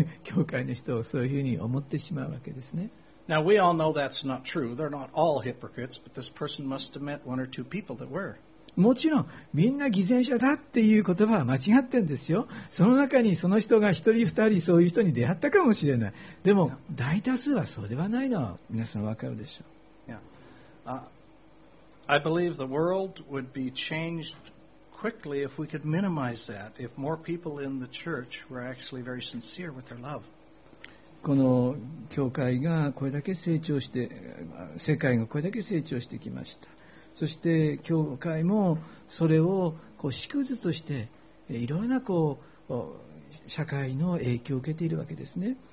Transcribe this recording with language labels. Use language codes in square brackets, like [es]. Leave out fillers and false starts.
[ja] 教会の人をそういうふうに思ってしまうわけですね。 [en] Now we all know that's not true. They're not all hypocrites, but this person must have met one or two people that were. [ja] もちろんみんな偽善者だっていう言葉は間違ってるんですよ。その中にその人が一人二人そういう人に出会ったかもしれない。でも大多数はそうではないのは皆さんわかるでしょう。 [en] I believe the world would be changed quickly if we could minimize that, if more people in the church were actually very sincere with their love. [ja] この教会がこれだけ成長して、世界がこれだけ成長してきました。そして教会もそれをこう縮図としていろんなこう社会の影響を受けているわけですね。